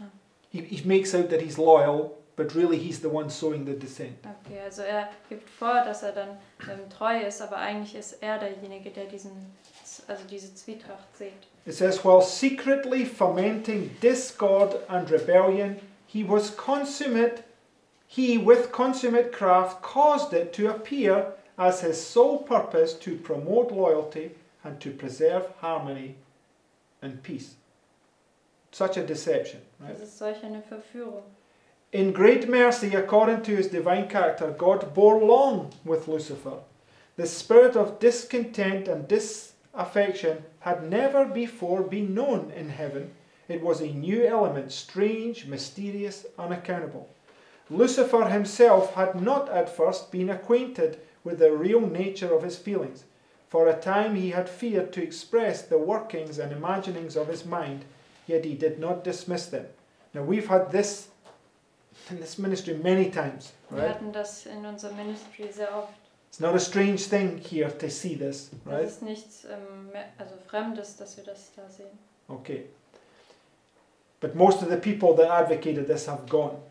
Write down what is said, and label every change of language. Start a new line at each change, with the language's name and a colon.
English: Ah. He makes out that he's loyal, but really he's the one sowing the dissent.
German: Okay, also er gibt vor, dass er dann treu ist, aber eigentlich ist er derjenige, der diese Zwietracht sieht.
English: It says, while secretly fomenting discord and rebellion, he with consummate craft caused it to appear as his sole purpose to promote loyalty and to preserve harmony and peace. Such a deception, right?
German: Das ist solch eine Verführung.
English: In great mercy, according to his divine character, God bore long with Lucifer. The spirit of discontent and disaffection had never before been known in heaven. It was a new element, strange, mysterious, unaccountable. Lucifer himself had not at first been acquainted with the real nature of his feelings. For a time he had feared to express the workings and imaginings of his mind, yet he did not dismiss them. Now we've had this in this ministry many times, right?
German: Wir hatten das in unserer Ministry sehr oft.
English: It's not a strange thing here to see this, right?
German: Das ist nichts Fremdes, dass wir das da sehen.
English: Okay. But most of the people that advocated this have gone.